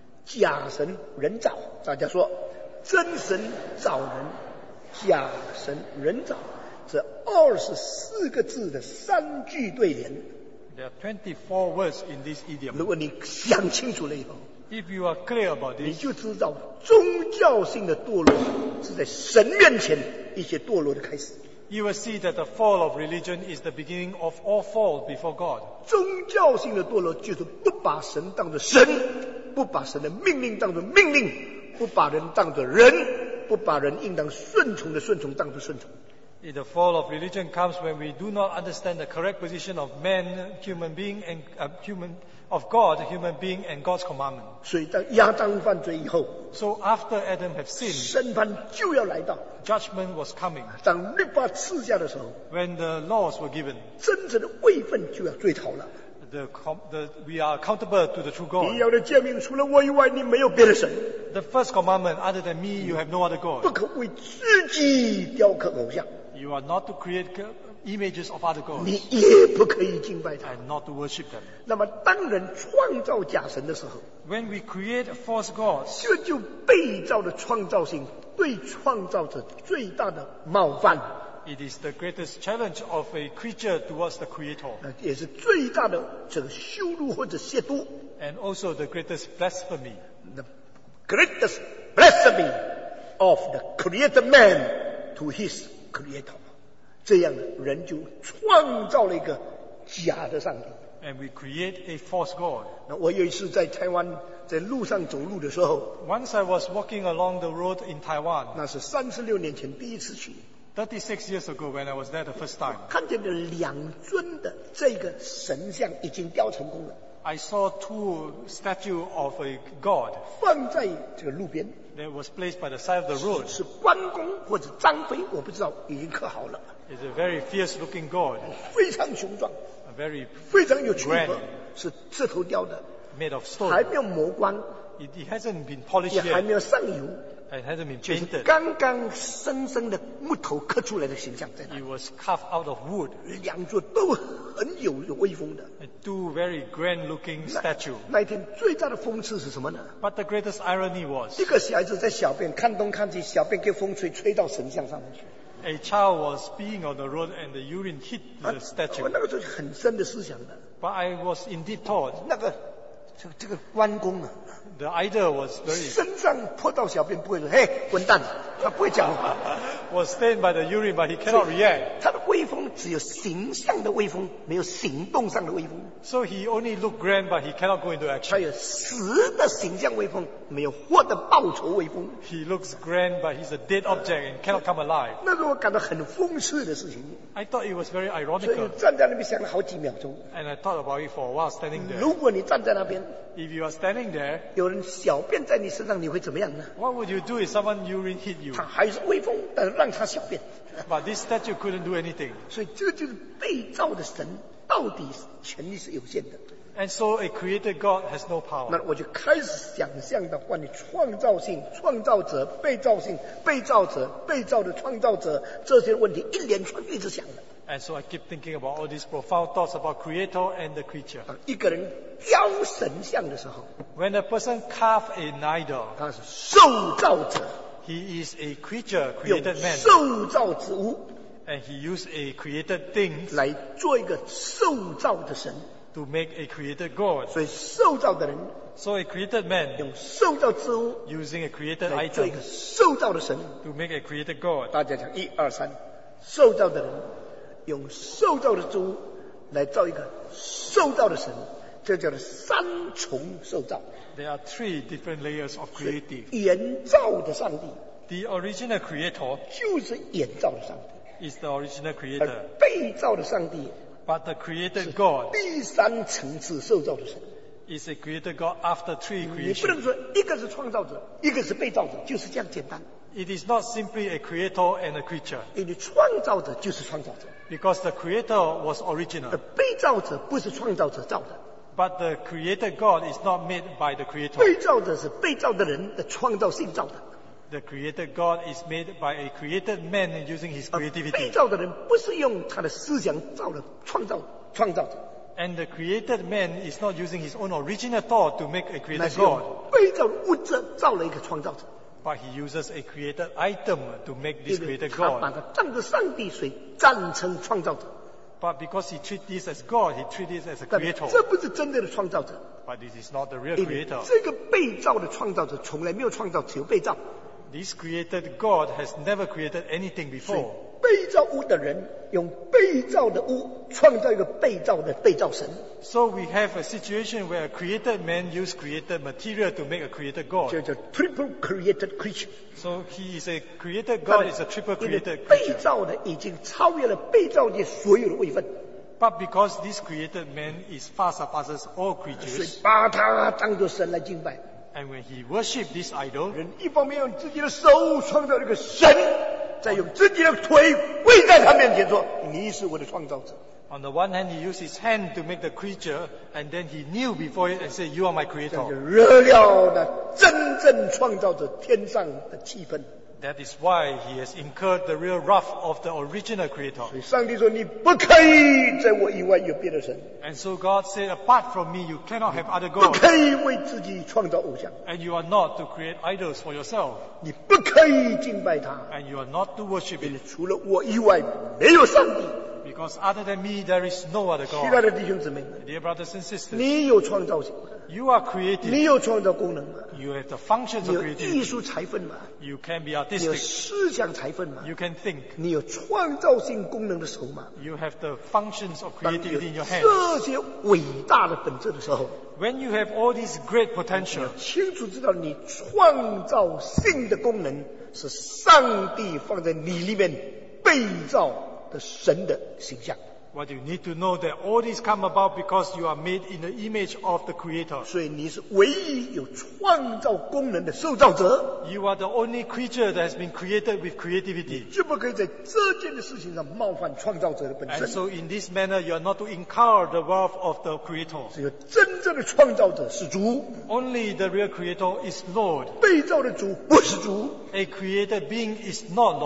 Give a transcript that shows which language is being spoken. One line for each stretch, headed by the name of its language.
Chinese: 假神人造，大家说，真神造人，假神人造，这二十四个字的三句对联。
English: There are 24 words in this idiom.
Chinese: 如果你想清楚了以后
English: ，If you are clear about this，
Chinese: 你就知道宗教性的堕落是在神面前一些堕落的开始。
English: You will see that the fall of religion is the beginning of all fall before God.
Chinese: 宗教性的堕落就是不把神当作神。不把神的命令当作命令，不把人当作人，不把人应当顺从的顺从当作顺从。
English: The fall of religion comes when we do not understand the correct position of man, human being, and of God, human being, and God's commandment.
Chinese: 所以当亚当犯罪以后
English: ，So after Adam have sinned,
Chinese: 审判就要来到。
English: Judgment was coming.
Chinese: 当律法赐下的时候
English: ，When the laws were given,
Chinese: 真正的位分就要追讨了。
English: We are accountable to the true God.
Chinese: 你要的诫命除了我以外，你没有别的神。
English: The first commandment, other than me, you have no other God.
Chinese: 不可为自己雕刻偶像。
English: You are not to create images of other gods.
Chinese: 你也不可以敬拜他。
English: And not to worship them.
Chinese: 那么当人创造假神的时候
English: ，When we create false gods,
Chinese: 这就被造的创造性对创造者最大的冒犯。
English: It is the greatest challenge of a creature towards the creator.
Chinese: 也是最大的这个羞辱或者亵渎。
English: And also the greatest blasphemy. The greatest blasphemy of the creator man to his creator.
Chinese: 这样人就创造了一个假的上帝。
English: And we create a false god.
Chinese: 那我有一次在台湾在路上走路的时候。
English: Once I was walking along the road in Taiwan.
Chinese: 那是36年前第一次去。
English: 36 years ago when I was there the first time,
Chinese: 看见了两尊的这个神像已经雕成功了。
English: I saw two statues of a god.
Chinese: 放在这个路边。
English: That was placed by the side of the road.
Chinese: 是关公或者张飞，我不知道，已经刻好了。
English: It's a very fierce-looking god.
Chinese: 非常雄壮。
English: A very
Chinese: 非常有气魄。是石头雕的。
English: Made of stone.
Chinese: 还没有磨光。
English: It hasn't been polished yet.
Chinese: 也还没有上油。
English: It hasn't been painted.
Chinese: 就是刚刚生生的木头刻出来的形象在那。
English: It was carved out of wood.
Chinese: 两座都很有威风的。
English: Two very grand-looking statues.
Chinese: 那一天最大的讽刺是什么呢？
English: But the greatest irony was.
Chinese: 一个小孩子在小便，看东看西，小便给风吹，吹到神像上面去。
English: A child was peeing on the road, and the urine hit the statue.
Chinese: 那个时候很深的思想的。
English: But I was indeed taught.
Chinese: 那个。这个关公啊
English: ，The idol was very
Chinese: 身上泼到小便不会说，嘿，滚蛋，他不会讲话。
English: Was stained by the urine, but he cannot react.
Chinese: 他的威风只有形象的威风，没有行动上的威风。
English: So he only looked grand, but he cannot go into action.
Chinese: 他有死的形象威风，没有活的报仇威风。
English: He looks grand, but he's a dead object and cannot come alive.
Chinese: 那是我感到很讽刺的事情。
English: I thought it was very ironical.
Chinese: 所以站在那边想了好几秒钟。
English: And I thought about it for a while, standing there.
Chinese: 如果你站在那边。
English: If you are standing there,
Chinese: 有人小便在你身上，你会怎么样呢？
English: What would you do if someone urine hit you?
Chinese: 他还是威风，但是让他小便。
English: But this statue couldn't do anything.
Chinese: 所以这就是被造的神，到底权力是有限的。
English: And so a created God has no power.
Chinese: 那我就开始想象的话，你创造性、创造者、被造性、被造者、被造的创造者这些问题一连串一直想的。
English: And so I keep thinking about all these profound thoughts about creator and the creature.
Chinese: 一个人雕神像的时候
English: ，When a person carve an idol，
Chinese: 他是受造者。
English: He is a creature, created man.
Chinese: 有受造之物。
English: And he used a created thing
Chinese: 来做一个受造的神。
English: To make a created god.
Chinese: 所以受造的人
English: ，So a created man
Chinese: 用受造之物
English: ，using a created
Chinese: idol 来做一个受造的神。
English: To make a created god.
Chinese: 大家讲一二三，受造的人。用受造的猪来造一个受造的神，这叫做三重受造。
English: There are three different layers of creative.
Chinese: 原造的上帝。
English: The original creator
Chinese: 就是原造的上帝。
English: Is the original creator.
Chinese: 而被造的上帝。
English: But the created God
Chinese: 第三层次受造的神。
English: Is a created God after three creation.
Chinese: 你不能说一个是创造者，一个是被造者，就是这样简单。
English: It is not simply a creator and a creature.
Chinese: 因为创造者就是创造者。
English: Because the creator was original.
Chinese: 被造者不是创造者造的。
English: But the created God is not made by the creator.
Chinese: 被造者是被造的人的创造性造的。
English: The created God is made by a created man using his creativity.
Chinese: 被造的人不是用他的思想造的创造者。
English: And the created man is not using his own original thought to make a created God.
Chinese: 那是用被造物质造了一个创造者。
English: But he uses a created item to make this created God.
Chinese: 因为他把它当作上帝，所以赞称创造者。
English: But because he treats this as God, he treats this as a creator.
Chinese: 这不是真正的创造者。
English: But this is not the real creator.
Chinese: 这个被造的创造者从来没有创造，只有被造。
English: This created God has never created anything before.
Chinese: 被造物的人用被造的物创造一个被造的被造神。
English: So we have a situation where a created man used created material to make a created god.
Chinese: 这叫
English: triple created creature. So he is a created god, is a triple created creature.
Chinese: 被造的已经超越了被造的所有的位分。
English: But because this created man is far surpasses all creatures.
Chinese: 所以把他当作神来敬拜。
English: And when he worship this idol,
Chinese: 人一方面用自己的手创造一个神，再用自己的腿跪在他面前说：“你是我的创造者。”
English: On the one hand, he used his hand to make the creature, and then he kneeled before it and said, "You are my creator."
Chinese: 惹了那真正创造者天上的气愤。
English: That is why he has incurred the real wrath of the original creator.
Chinese: 所以上帝说：“你不可以在我以外有别的神。”
English: And so God said, "Apart from me, you cannot have other gods."
Chinese: 不可以为自己创造偶像。
English: And you are not to create idols for yourself.
Chinese: 你不可以敬拜他。
English: And you are not to worship it.
Chinese: 因为除了我以外没有上帝。
English: Because other than me, there is no other God.
Chinese: 亲爱的弟兄姊妹
English: ，Dear brothers and sisters,
Chinese: 你有创造性。
English: You are creative.
Chinese: 你有创造功能吗
English: ？You have the functions of creativity.
Chinese: 你有艺术才分吗
English: ？You can be artistic.
Chinese: 你有思想才分吗
English: ？You can think.
Chinese: 你有创造性功能的手吗
English: ？You have the functions of creativity in your hands.
Chinese: 这些伟大的本质的时候
English: ，When you have all these great potential,
Chinese: 你清楚知道你创造性的功能是上帝放在你里面。被造的神的形象。
English: What you need to know that all this come about because you are made in the image of the Creator.
Chinese: 所以你是唯一有创造功能的受造者。
English: You are the only creature that has been created with creativity.
Chinese: 你就不可以在这件事情上冒犯创造者的本身。
English: And so in this manner, you are not to incur the wrath of the Creator.
Chinese: 只有真正的创造者是主。
English: Only the real Creator is Lord.
Chinese: 被造的主不是主。
English: A created being is not Lord.